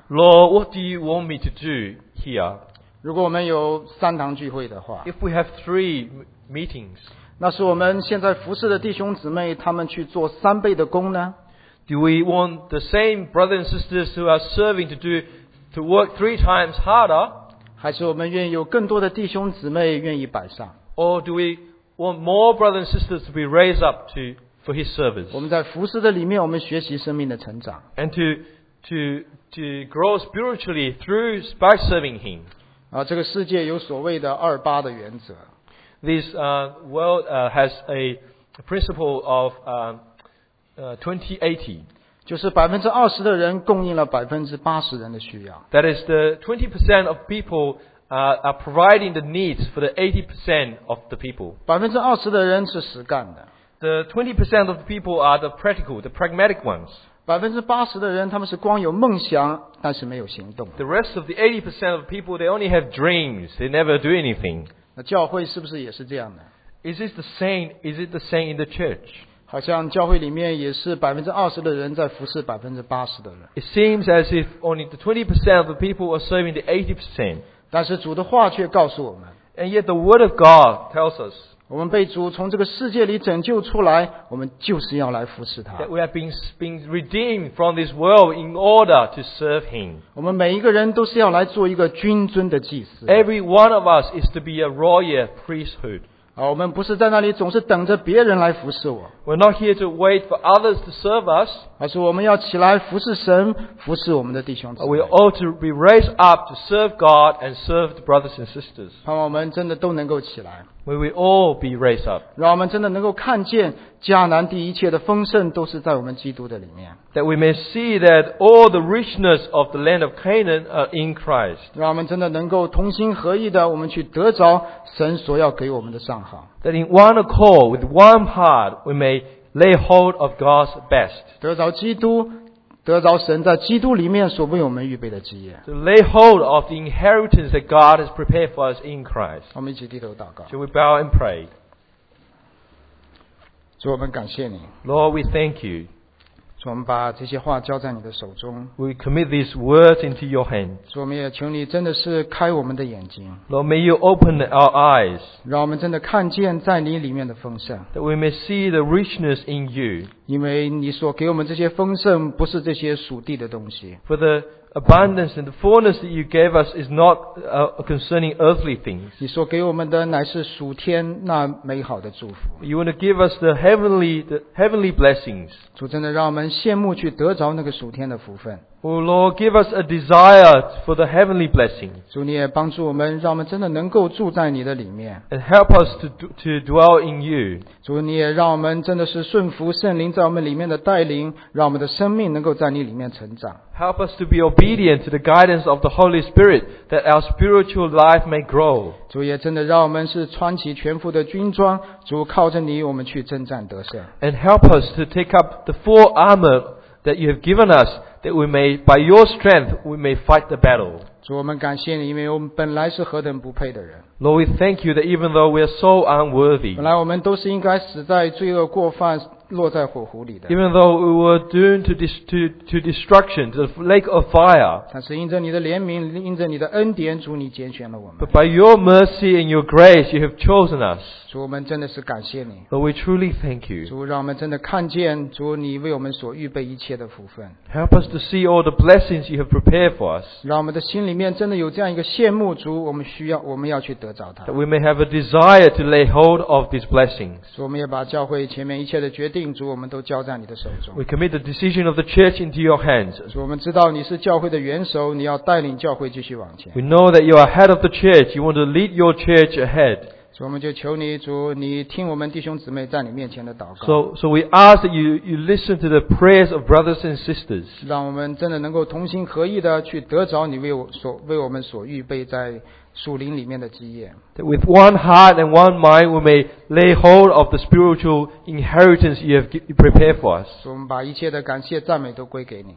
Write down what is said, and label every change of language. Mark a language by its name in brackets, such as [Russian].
[English] Lord, what do you want me to do here? [Chinese] 如果我们有三堂聚会的话， [English] If we have three meetings, [Chinese] 那是我们现在服侍的弟兄姊妹他们去做三倍的工呢？ [English] Do we want the same brothers and sisters who are serving to work three times harder? [Chinese] 还是我们愿意有更多的弟兄姊妹愿意摆上？ [English] Or do we want more brothers and sisters to be raised up to for his service? [Chinese] 我们在服侍的里面我们学习生命的成长。 [English] And to grow spiritually through by serving him. [Chinese] 这个世界有所谓的二八的原则。 [English] This world has a principle of 20-80. [Chinese] 就是20%的人供应了80%人的需要。 [English] That is the 20% of people are providing the needs for the 80% of the people. [Chinese] 20%的人是实干的。 [English] The 20% of the people are the practical, the pragmatic ones. [Chinese] 80%的人他们是光有梦想但是没有行动。 [English] The rest of the 80% of people, they only have dreams, they never do anything. [Chinese] 那教会是不是也是这样的？ [English] Is it the same in the church? [Chinese] 好像教会里面也是20%的人在服侍80%的人。 [English] It seems as if only the 20% of the people are serving the 80%. [Chinese] 但是主的话却告诉我们。 [English] And yet the word of God tells us, [Chinese] 我们被主从这个世界里拯救出来，我们就是要来服侍他。 [English] That we have been redeemed from this world in order to serve him. [Chinese] 我们每一个人都是要来做一个君尊的祭司。 [English] Every one of us is to be a royal priesthood. [Chinese] 我们不是在那里总是等着别人来服侍我。 [English] We're not here to wait for others to serve us. [Chinese] 而是我们要起来服侍神，服侍我们的弟兄姊妹。 [English] We ought to be raised up to serve God and serve the brothers and sisters. [Chinese] 盼望我们真的都能够起来。 [English] May we all be raised up. [Chinese] 让我们真的能够看见迦南地一切的丰盛都是在我们基督的里面。 [English] That we may see that all the richness of the land of Canaan are in Christ. [Chinese] 让我们真的能够同心合意的我们去得着神所要给我们的上好。 [English] That in one accord, with one heart, we may lay hold of God's best. [Chinese] 得着基督，得着神在基督里面所为我们预备的基业。 [English] To lay hold of the inheritance that God has prepared for us in Christ. [Chinese] 我们一起低头祷告。 [English] Shall we bow and pray? [Chinese] 主，我们感谢你。 [English] Lord, we thank you. [Chinese] 主，我们把这些话交在你的手中。 [English] We commit these words into your hand. [Chinese] 主，我们也求你真的是开我们的眼睛。 [English] Lord, may you open our eyes. [Chinese] 让我们真的看见在你里面的丰盛。 [English] That we may see the richness in you. [Chinese] 因为你所给我们这些丰盛不是这些属地的东西。 [English] For the abundance and the fullness that you gave us is not concerning earthly things. [Chinese] 你所给我们的乃是属天那美好的祝福。 [English] You want to give us the heavenly blessings. [Chinese] 主，真的让我们羡慕去得着那个属天的福分。 [English] Oh Lord, give us a desire for the heavenly blessing. [Chinese] 主你也帮助我们，让我们真的能够住在你的里面。 [English] And help us to dwell in you. [Chinese] 主你也让我们真的是顺服圣灵在我们里面的带领，让我们的生命能够在你里面成长。 [English] Help us to be obedient to the guidance of the Holy Spirit, that our spiritual life may grow. [Chinese] 主也真的让我们是穿起全副的军装，主靠着你，我们去征战得胜。 [English] And help us to take up the full armor that you have given us. That we may, by your strength, we may fight the battle. [Chinese] 主，我们感谢你，因为我们本来是何等不配的人。 [English] Lord, we thank you that even though we are so unworthy, [Chinese] 本来我们都是应该死在罪恶过犯，落在火湖里的。 [English] Even though we were doomed to destruction, to the lake of fire, [Chinese] 但是因着你的怜悯，因着你的恩典，主你拣选了我们。 [English] But by your mercy and your grace, you have chosen us. [Chinese] 主，我们真的是感谢你。 [English] Lord, we truly thank you. [Chinese] 主，让我们真的看见主你为我们所预备一切的福分。 [English] Help us to see all the blessings you have prepared for us. [Chinese] 让我们的心里面真的有这样一个羡慕主，我们需要，我们要去。 [English] That we may have a desire to lay hold of these blessings. [Chinese] 我们也把教会前面一切的决定，主，我们都交在你的手中。 [English] We commit the decision of the church into your hands. [Chinese] 主，我们知道你是教会的元首，你要带领教会继续往前。 [English] We know that you are head of the church. You want to lead your church ahead. [Chinese] 主，我们就求你，主，你听我们弟兄姊妹在你面前的祷告。 [English] So we ask that you listen to the prayers of brothers and sisters. [Chinese] 让我们真的能够同心合意的去得着你为我们所预备在。属灵里面的基业。 [English] That with one heart and one mind we may lay hold of the spiritual inheritance you have prepared for us. [Chinese] 我们把一切的感谢赞美都归给你。